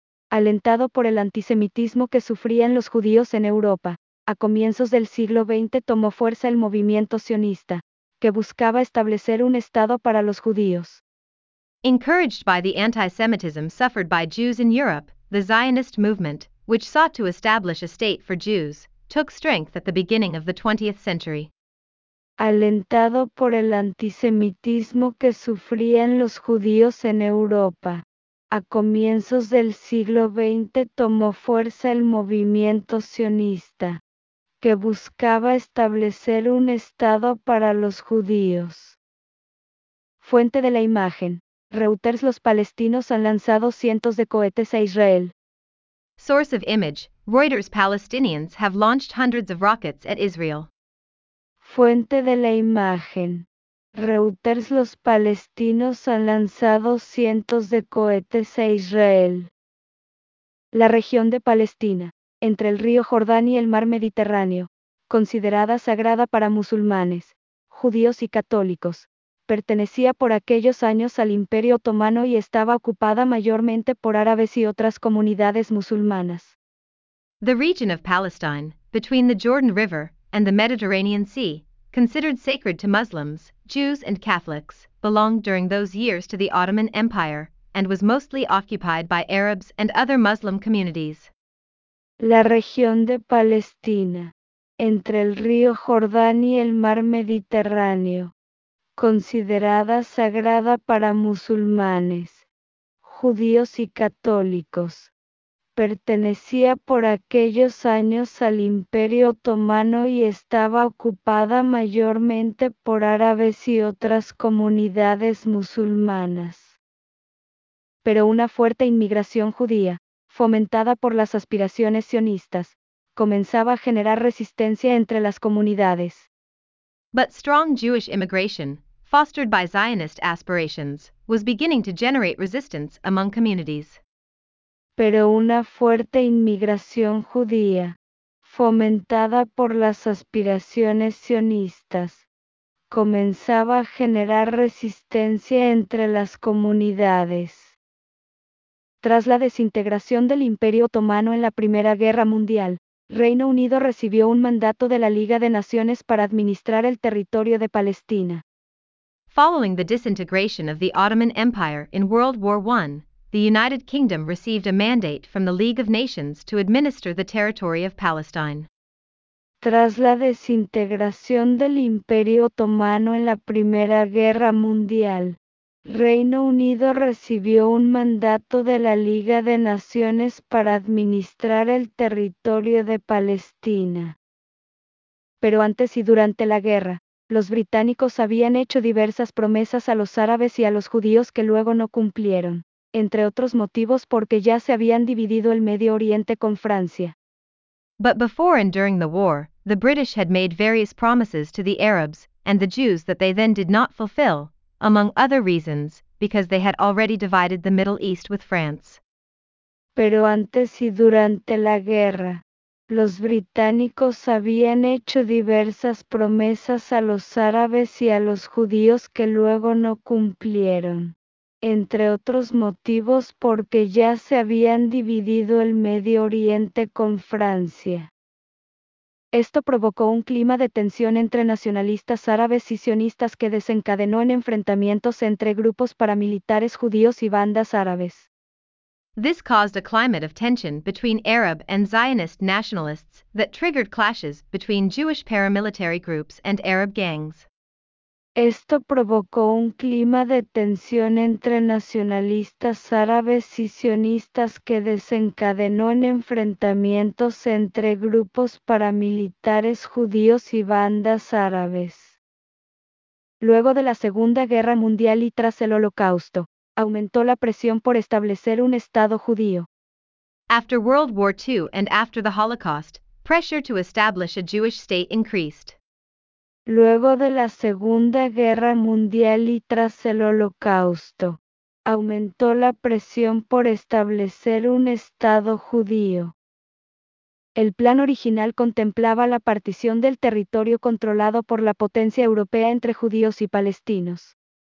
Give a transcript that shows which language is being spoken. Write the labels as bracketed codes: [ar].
[es] Alentado por el antisemitismo que sufrían los judíos en Europa, a comienzos del siglo XX tomó fuerza el movimiento sionista, que buscaba establecer un estado para los judíos. [en] Encouraged by the antisemitism suffered by Jews in Europe, the Zionist movement, which sought to establish a state for Jews, took strength at the beginning of the 20th century. [es] Alentado por el antisemitismo que sufrían los judíos en Europa, a comienzos del siglo XX tomó fuerza el movimiento sionista, que buscaba establecer un estado para los judíos. Fuente de la imagen. Reuters. Los palestinos han lanzado cientos de cohetes a Israel. [en] Source of image, Reuters. Palestinians have launched hundreds of rockets at Israel. [es] Fuente de la imagen. Reuters. Los palestinos han lanzado cientos de cohetes a Israel. La región de Palestina, entre el río Jordán y el mar Mediterráneo, considerada sagrada para musulmanes, judíos y católicos, pertenecía por aquellos años al Imperio Otomano y estaba ocupada mayormente por árabes y otras comunidades musulmanas. [en] The region of Palestine, between the Jordan River and the Mediterranean Sea, considered sacred to Muslims, Jews and Catholics, belonged during those years to the Ottoman Empire and was mostly occupied by Arabs and other Muslim communities. [es] La región de Palestina, entre el río Jordán y el mar Mediterráneo, considerada sagrada para musulmanes, judíos y católicos, pertenecía por aquellos años al Imperio Otomano y estaba ocupada mayormente por árabes y otras comunidades musulmanas. Pero una fuerte inmigración judía, fomentada por las aspiraciones sionistas, comenzaba a generar resistencia entre las comunidades. [en] But strong Jewish immigration, fostered by Zionist aspirations, was beginning to generate resistance among communities. [es] Pero una fuerte inmigración judía, fomentada por las aspiraciones sionistas, comenzaba a generar resistencia entre las comunidades. Tras la desintegración del Imperio Otomano en la Primera Guerra Mundial, Reino Unido recibió un mandato de la Liga de Naciones para administrar el territorio de Palestina. [en] Following the disintegration of the Ottoman Empire in World War I, the United Kingdom received a mandate from the League of Nations to administer the territory of Palestine. [es] Tras la desintegración del Imperio Otomano en la Primera Guerra Mundial, Reino Unido recibió un mandato de la Liga de Naciones para administrar el territorio de Palestina. Pero antes y durante la guerra, los británicos habían hecho diversas promesas a los árabes y a los judíos que luego no cumplieron, entre otros motivos porque ya se habían dividido el Medio Oriente con Francia. [en] But before and during the war, the British had made various promises to the Arabs and the Jews that they then did not fulfill, among other reasons, because they had already divided the Middle East with France. [es] Pero antes y durante la guerra, los británicos habían hecho diversas promesas a los árabes y a los judíos que luego no cumplieron, entre otros motivos porque ya se habían dividido el Medio Oriente con Francia. Esto provocó un clima de tensión entre nacionalistas árabes y sionistas que desencadenó en enfrentamientos entre grupos paramilitares judíos y bandas árabes. [en] This caused a climate of tension between Arab and Zionist nationalists that triggered clashes between Jewish paramilitary groups and Arab gangs. [es] Esto provocó un clima de tensión entre nacionalistas árabes y sionistas que desencadenó en enfrentamientos entre grupos paramilitares judíos y bandas árabes. Luego de la Segunda Guerra Mundial y tras el Holocausto, aumentó la presión por establecer un Estado judío. [en] After World War II and after the Holocaust, pressure to establish a Jewish state increased. [es] Luego de la Segunda Guerra Mundial y tras el Holocausto, aumentó la presión por establecer un Estado judío. El plan original contemplaba la partición del territorio controlado por la potencia europea entre judíos y palestinos.